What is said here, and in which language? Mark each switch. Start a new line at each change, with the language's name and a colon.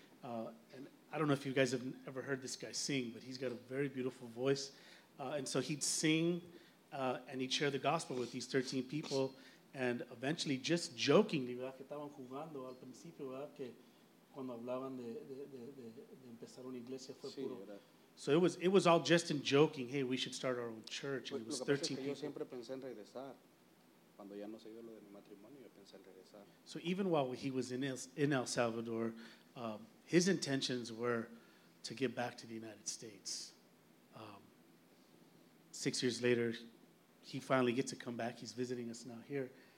English: And I don't know if you guys have ever heard this guy sing, but he's got a very beautiful voice. And so he'd sing and he'd share the gospel with these 13 people. And eventually, just jokingly,
Spanish: que estaban jugando al principio, que cuando hablaban de empezar una iglesia fue puro.
English: So it was all just in joking. Hey, we should start our own church. And it was 13 people.
Spanish: Yo siempre pensé en regresar. Cuando ya no se dio lo de mi matrimonio, yo pensé en regresar.
English: So even while he was in El Salvador, his intentions were to get back to the United States. 6 years later, he finally gets to come back. He's visiting us now here.